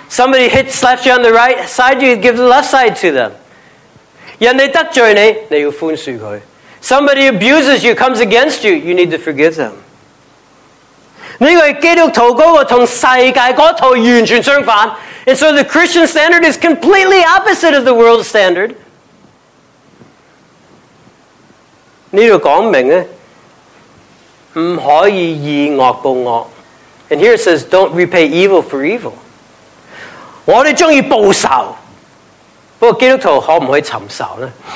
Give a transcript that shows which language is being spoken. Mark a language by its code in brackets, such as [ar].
[en] Somebody hit, slaps you on the right side, you give the left side to them. [zh] 人家得罪你，你要宽恕他。 [en] Somebody abuses you, comes against you, you need to forgive them. [zh] 这个基督徒那个跟世界那套完全相反。 [en] And so the Christian standard is completely opposite of the world standard. [zh] 这个讲明呢， 不可以以恶报恶。 [en] And here it says, don't repay evil for evil. [zh] 我们喜欢报仇。不过基督徒可不可以寻仇呢？